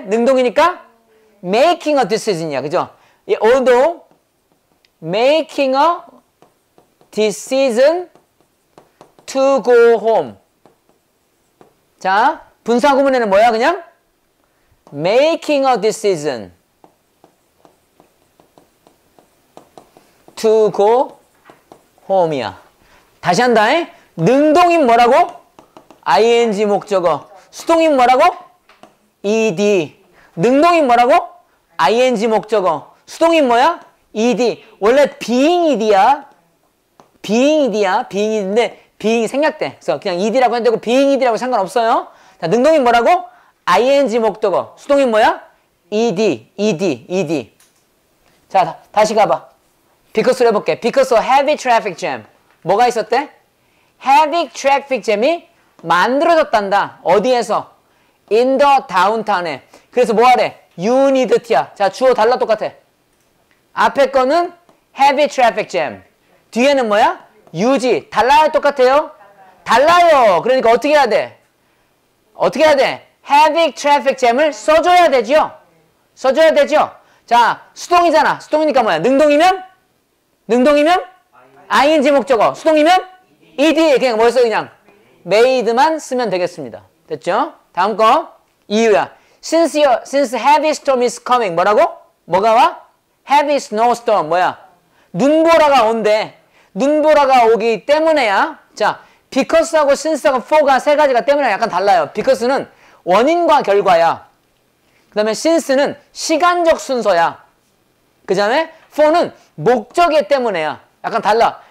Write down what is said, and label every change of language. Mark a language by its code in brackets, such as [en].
[ko] 능동이니까? [en] making a decision이야, [ko] 그죠? [en] although, making a decision to go home. [ko] 자, 분사구문에는 뭐야, 그냥? [en] making a decision to go home이야. [ko] 다시 한다, 에? 능동이면 뭐라고? ing 목적어. 수동이면 뭐라고? ed. 능동이면 뭐라고? ing 목적어. 수동이면 뭐야? ed. 원래 being ed야. being ed야. being ed인데 being이 생략돼. 그래서 그냥 ed라고 해도 되고 being ed라고 상관없어요. 자, 능동이 뭐라고? ing 목적어. 수동이 뭐야? ed. ed. ed. 자, 다시 가봐. because로 해볼게. [en] because of heavy traffic jam. [ko] 뭐가 있었대? [en] heavy traffic jam이 [ko] 만들어졌단다. 어디에서? [en] in the downtown에. [ko] 그래서 뭐하래? [en] you need it야. [ko] 자, 주어 달라 똑같아. 앞에 거는 [en] heavy traffic jam. [ko] 뒤에는 뭐야? 유지. 달라요? 똑같아요? 달라요. 그러니까 어떻게 해야 돼? 어떻게 해야 돼? heavy traffic jam을 써줘야 되죠? 써줘야 되죠? 자, 수동이잖아. 수동이니까 뭐야? 능동이면? 능동이면? ing 목적어. 수동이면? ed. 그냥 뭐였어? 그냥? made만 쓰면 되겠습니다. 됐죠? 다음 거. 이유야. [en] since heavy storm is coming. [ko] 뭐라고? 뭐가 와? [en] heavy snowstorm, [ko] 뭐야? 눈보라가 온대. 눈보라가 오기 때문에야. 자, because하고 since하고 for가 세 가지가 때문에 약간 달라요. because는 원인과 결과야. 그 다음에 since는 시간적 순서야. 그 다음에 for는 목적의 때문에야. 약간 달라.